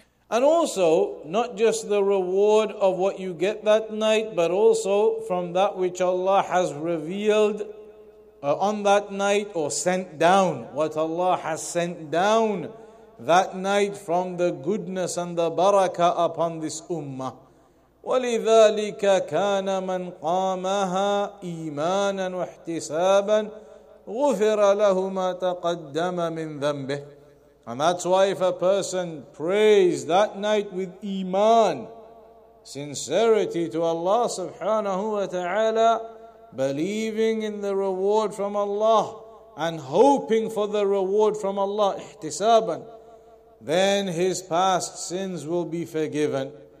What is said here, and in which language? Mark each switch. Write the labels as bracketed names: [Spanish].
[English] And also, not just the reward of what you get that night, but also from that which Allah has revealed on that night, or sent down, what Allah has sent down that night from the goodness and the barakah upon this ummah. [Arabic] ولذلك كان من قامها إيمانا واحتسابا غفر له ما تقدم من ذنبه. [English] And that's why if a person prays that night with iman, sincerity to Allah subhanahu wa ta'ala, believing in the reward from Allah and hoping for the reward from Allah, ihtisaban, then his past sins will be forgiven.